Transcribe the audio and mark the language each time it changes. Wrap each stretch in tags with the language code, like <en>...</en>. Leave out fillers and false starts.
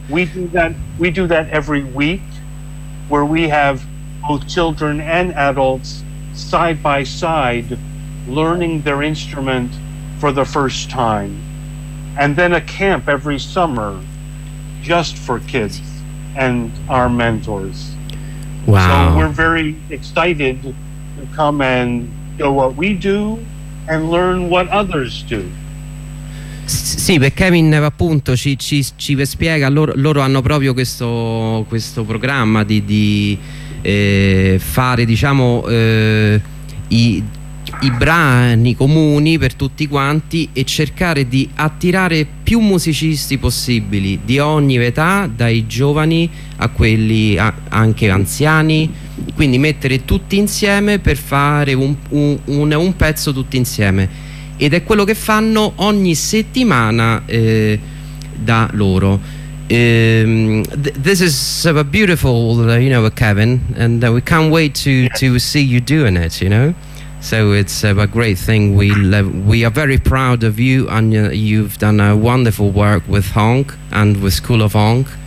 <en>And we do that every week, where we have both children and adults side by side learning their instrument for the first time, and then a camp every summer just for kids and our mentors. Wow. So we're very excited to come and know what we do and learn what others do.</en> <it>Sì, perché Kevin appunto ci spiega, loro hanno proprio questo programma di fare, diciamo, i brani comuni per tutti quanti e cercare di attirare più musicisti possibili di ogni età, dai giovani a quelli anche anziani, quindi mettere tutti insieme per fare un pezzo tutti insieme, ed è quello che fanno ogni settimana da loro.</it> <en>This is a beautiful, you know, Kevin, and we can't wait to see you doing it, you know. So it's a great thing. We are very proud of you, and you've done a wonderful work with Honk and with School of Honk.</en>